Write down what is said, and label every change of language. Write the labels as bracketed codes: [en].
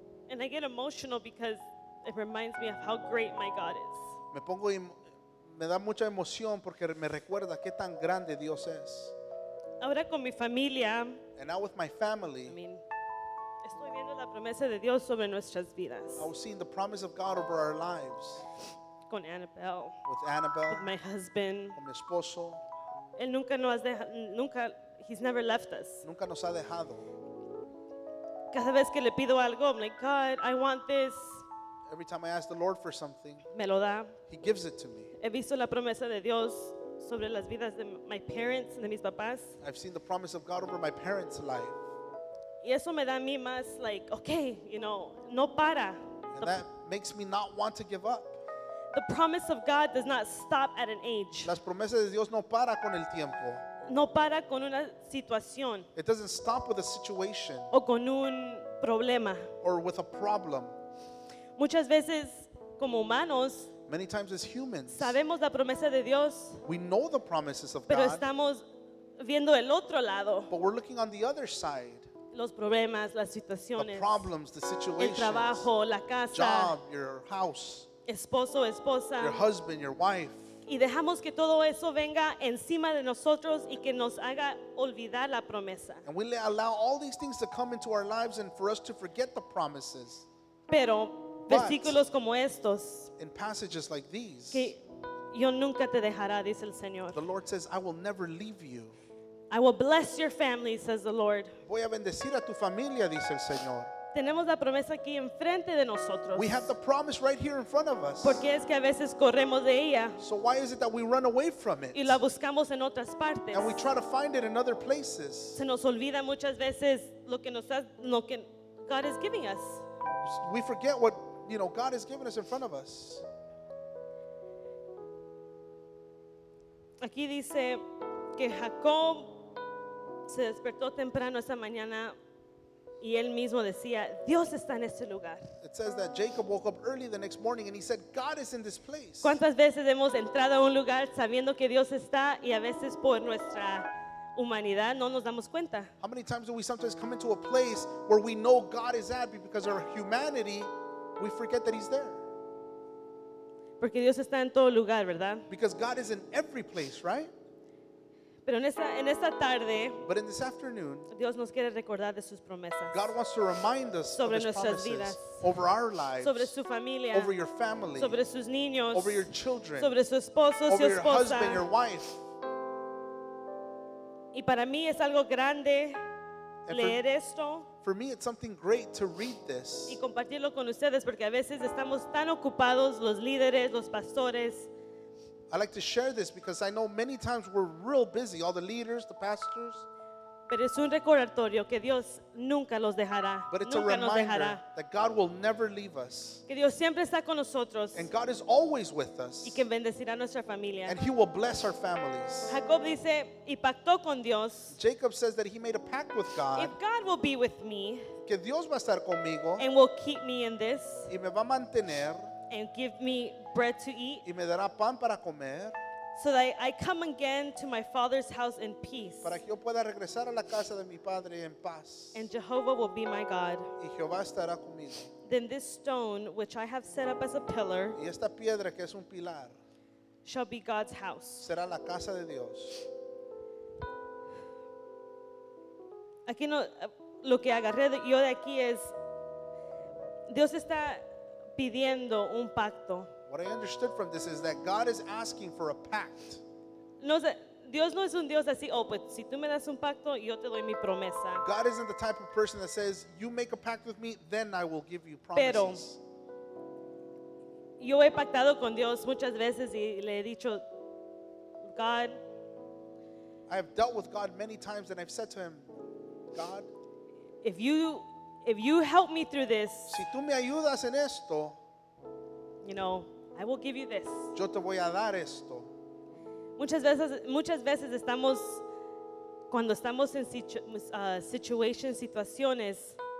[en] And I get emotional because it reminds me of how great my God is. [es] Me da mucha emoción porque me recuerda qué tan grande Dios es. Ahora con mi familia, [en] and now with my family, I mean, [es] estoy viendo la promesa de Dios sobre nuestras vidas. [en] I was seeing the promise of God over our lives. [es] con Annabelle, [en] with Annabelle, with my husband, [es] con mi esposo. Él nunca nos ha dejado, nunca, [en] he's never left us. [es] Nunca nos ha dejado. Cada vez que le pido algo, [en] I'm like, God, I want this. Every time I ask the Lord for something, [es] me lo da. [en] He gives it to me. [es] He visto la promesa de Dios sobre las vidas de [en] my parents and [es] de mis papás. [en] I've seen the promise of God over my parents' life. [es] Y eso me da a mí más, [en] like, okay, you know, [es] no para. [en] And that makes me not want to give up. The promise of God does not stop at an age. [es] Las promesas de Dios no para con el tiempo. No para con una situación. [en] It doesn't stop with a situation. [es] O con un problema. [en] Or with a problem. [es] Muchas veces, como humanos, [en] many times as humans, [es] sabemos la promesa de Dios, [en] we know the promises of [es] pero [en] God, [es] estamos viendo el otro lado. [en] But we're looking on the other side. [es] Los problemas, las situaciones, [en] the problems, the situations, [es] el trabajo, la casa, [en] job, your house, [es] esposo, esposa, [en] your husband, your wife. [es] Y dejamos que todo eso venga encima de nosotros y que nos haga olvidar la promesa. [en] And we allow all these things to come into our lives and for us to forget the promises. [es] Pero versículos como estos, [en] in passages like these, [es] que yo nunca te dejará, dice el Señor. [en] The Lord says, I will never leave you. I will bless your family, says the Lord. [es] Voy a bendecir a tu familia, dice el Señor. Tenemos la promesa aquí enfrente de nosotros. [en] We have the promise right here in front of us. [es] Porque es que a veces corremos de ella. [en] So why is it that we run away from it? [es] Y la buscamos en otras partes. [en] And we try to find it in other places. [es] Se nos olvida muchas veces lo que nos ha, lo que [en] God is giving us. We forget what, you know, God has given us in front of us. [es] Aquí dice que Jacob se despertó temprano esa mañana y él mismo decía, Dios está en este lugar. [en] It says that Jacob woke up early the next morning and he said, God is in this place. [es] ¿Cuántas veces hemos entrado a un lugar sabiendo que Dios está y a veces por nuestra humanidad no nos damos cuenta? [en] How many times do we sometimes come into a place where we know God is at, but because of our humanity, we forget that he's there? [es] Porque Dios está en todo lugar, ¿verdad? [en] Because God is in every place, right? [es] Pero en esta tarde, [en] but in this afternoon, [es] Dios nos quiere recordar de sus promesas. [en] God wants to remind us [es] sobre [en] of his [es] nuestras [en] promises, [es] vidas, [en] over our lives, [es] sobre su familia, [en] over your family, [es] sobre sus niños, [en] over your children, [es] sobre su esposo, [en] over [es] su esposa, [en] your husband, your wife. [es] Y para mí es algo grande leer esto. [en] For me, it's something great to read this. [es] Y compartirlo con ustedes porque a veces estamos tan ocupados los líderes, los pastores. [en] I like to share this because I know many times we're real busy, all the leaders, the pastors. [es] Pero es un recordatorio que Dios nunca los dejará. [en] But it's [es] nunca [en] a reminder that God will never leave us. [es] Que Dios siempre está con nosotros. [en] And God is always with us. [es] Y que bendecirá nuestra familia. [en] And he will bless our families. [es] Jacob dice, y pactó con Dios. [en] Jacob says that he made a pact with God. If God will be with me, [es] que Dios va a estar conmigo, [en] and will keep me in this, [es] y me va a mantener, [en] and give me bread to eat, [es] y me dará pan para comer, [en] so that I come again to my father's house in peace. [es] Para que yo pueda regresar a la casa de mi padre en paz. [en] And Jehovah will be my God. [es] Y Jehová estará conmigo. [en] Then this stone, which I have set up as a pillar, [es] y esta piedra que es un pilar, [en] shall be God's house. [es] Será la casa de Dios. Aquí no, lo que agarré yo de aquí es, Dios está pidiendo un pacto. [en] What I understood from this is that God is asking for a pact. [es] No, Dios no es un Dios así, oh, pues si tú me das un pacto, yo te doy mi promesa. [en] God isn't the type of person that says, you make a pact with me, then I will give you promises. [es] Pero, yo he pactado con Dios muchas veces y le he dicho, God, [en] I have dealt with God many times and I've said to him, God, if you help me through this, [es] si tú me ayudas en esto, [en] you know, I will give you this. [es] Yo te voy a dar esto. Muchas veces estamos, cuando estamos en situaciones,